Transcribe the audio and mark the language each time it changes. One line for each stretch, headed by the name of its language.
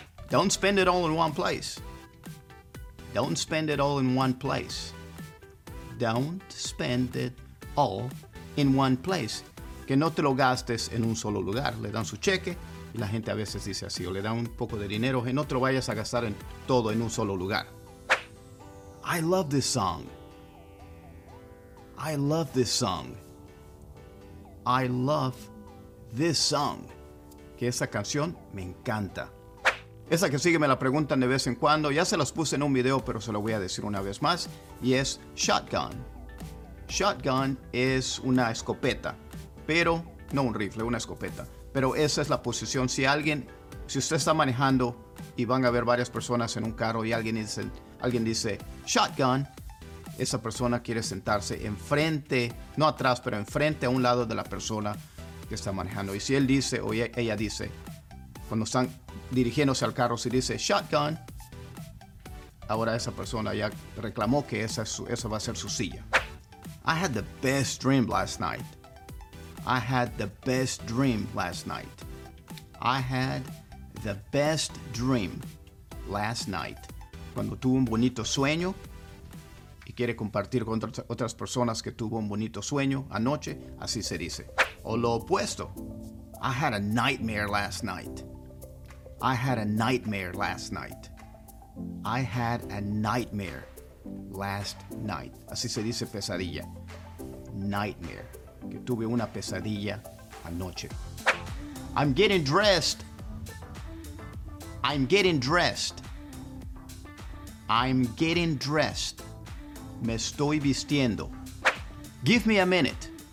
English: Don't spend it all in one place. Don't spend it all in one place. Don't spend it all in one place.
Spanish: Que no te lo gastes en un solo lugar. Le dan su cheque y la gente a veces dice así. O le dan un poco de dinero y no te lo vayas a gastar en todo en un solo lugar.
English: I love this song. I love this song. I love this song.
Spanish: Que esa canción me encanta. Esa que sigue me la preguntan de vez en cuando. Ya se las puse en un video, pero se lo voy a decir una vez más. Y es shotgun. Shotgun es una escopeta. Pero, no un rifle, una escopeta. Pero esa es la posición. Si alguien, si usted está manejando y van a ver varias personas en un carro y alguien dice shotgun, esa persona quiere sentarse enfrente, no atrás, pero enfrente a un lado de la persona que está manejando. Y si él dice o ella dice, cuando están dirigiéndose al carro, si dice shotgun, Ahora esa persona ya reclamó que esa va a ser su silla.
English: I had the best dream last night. I had the best dream last night. I had the best dream last night.
Spanish: Cuando tuvo un bonito sueño y quiere compartir con otras personas que tuvo un bonito sueño anoche, así se dice. O lo opuesto.
English: I had a nightmare last night. I had a nightmare last night. I had a nightmare last night.
Spanish: Así se dice pesadilla. Nightmare. Que tuve una pesadilla anoche.
English: I'm getting dressed. I'm getting dressed. I'm getting dressed.
Spanish: Me estoy vistiendo.
English: Give me a minute.